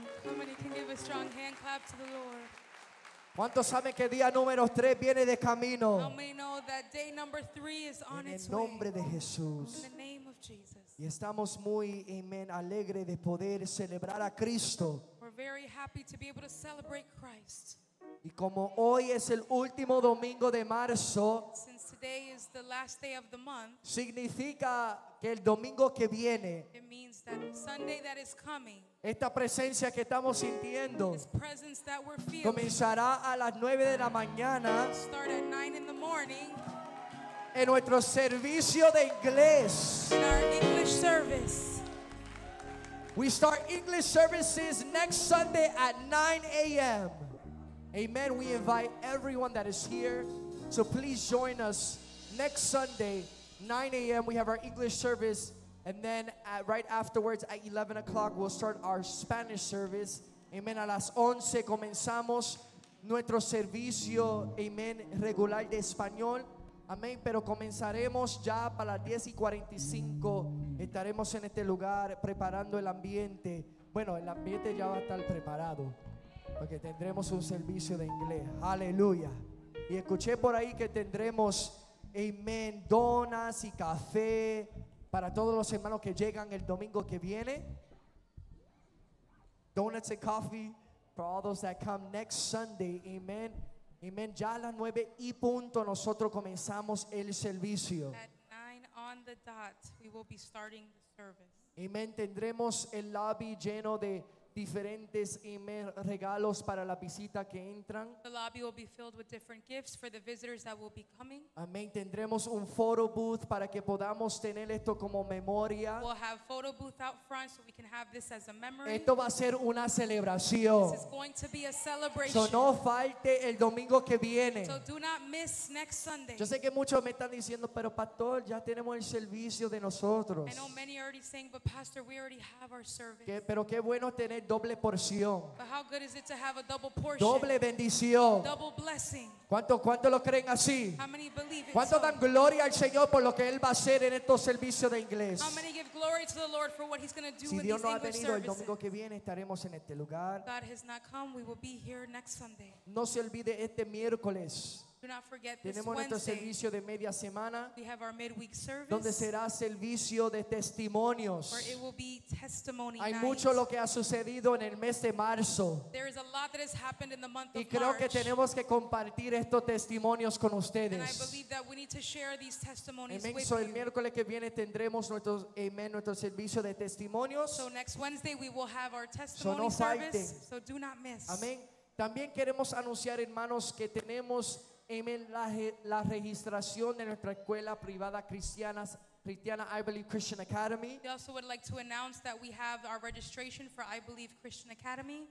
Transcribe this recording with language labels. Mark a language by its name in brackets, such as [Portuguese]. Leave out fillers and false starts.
[English] How many can give a strong hand clap to the Lord? [Spanish] ¿Cuántos saben que día número 3 viene de camino? [English] How many know that day number 3 is on its way? [Spanish] En el nombre de Jesús. [English] In the name of Jesus. [Spanish] Y estamos muy, amén, alegres de poder celebrar a Cristo. [English] We're very happy to be able to celebrate Christ. [Spanish] Y como hoy es el último domingo de marzo, [English] since today is the last day of the month, [Spanish] significa que el domingo que viene, [English] it means that Sunday that is coming, [Spanish] esta presencia que estamos sintiendo, [English] this presence that we're feeling, [Spanish] comenzará a las 9 de la mañana, [English] start at 9 in the morning, [Spanish] en nuestro servicio de inglés. [English] In our English service. We start English services next Sunday at 9 a.m. Amen. We invite everyone that is here. So please join us next Sunday, 9 a.m. We have our English service. And then right afterwards at 11 o'clock, we'll start our Spanish service. Amen. [Spanish] A las 11 comenzamos nuestro servicio, amen, regular de español. Amén, pero comenzaremos ya para las 10:45. Estaremos en este lugar preparando el ambiente. Bueno, el ambiente ya va a estar preparado, porque tendremos un servicio de inglés. Aleluya. Y escuché por ahí que tendremos, amén, donas y café para todos los hermanos que llegan el domingo que viene. [English] Donuts and coffee for all those that come next Sunday. [Spanish] Amén. Amén. Ya a las 9 y punto nosotros comenzamos el servicio. [English] At 9 on the dot, we will be starting the service. [Spanish] Amén. Tendremos el lobby lleno de diferentes, amen, regalos para la visita que entran. [English] The lobby will be filled with different gifts for the visitors that will be coming. [Spanish] Amén. Tendremos un photo booth para que podamos tener esto como memoria. [English] We'll have photo booth out front so we can have this as a memory. [Spanish] Esto va a ser una celebración. [English] This is going to be a celebration. [Spanish] So no falte el domingo que viene. [English] So do not miss next Sunday. [Spanish] Yo sé que muchos me están diciendo, pero pastor, ya tenemos el servicio de nosotros. [English] I know many are already saying, but pastor, we already have our service. [Spanish] Que, pero qué bueno tener doble porción. [English] But how good is it to have a double portion? [Spanish] Doble bendición. [English] Double blessing. [Spanish] ¿Cuánto lo creen así? [English] How many believe it? [Spanish] ¿Cuánto dan gloria al Señor por lo que Él va a hacer en estos servicios de inglés? [English] How many give glory to the Lord for what He's going to do in these [Spanish] Si Dios no ha venido el domingo que viene, estaremos en este lugar. [English] God has not come, we will be here next Sunday. [Spanish] No se olvide este miércoles. [English] Do not forget this [Spanish] Tenemos [English] Wednesday. [Spanish] Nuestro servicio de media semana. [English] We have our midweek service. [Spanish] Donde será servicio de testimonios. [English] Where it will be testimony [Spanish] Hay [English] night. [Spanish] Mucho lo que ha sucedido en el mes de marzo. [English] There is a lot that has happened in the month [Spanish] y [English] of March. [Spanish] Y creo que tenemos que compartir estos testimonios con ustedes. [English] And I believe that we need to share these testimonies amen. With so you. [Spanish] El miércoles que viene tendremos nuestro, amen, nuestro servicio de testimonios. [English] So next Wednesday we will have our testimony [Spanish] so no [English] service. [Spanish] Falte. [English] So do not miss. [Spanish] Amén. También queremos anunciar, hermanos, que tenemos amen, la registración de nuestra escuela privada cristiana I Believe Christian Academy. [English] We also would like to announce that we have our registration for I Believe Christian Academy.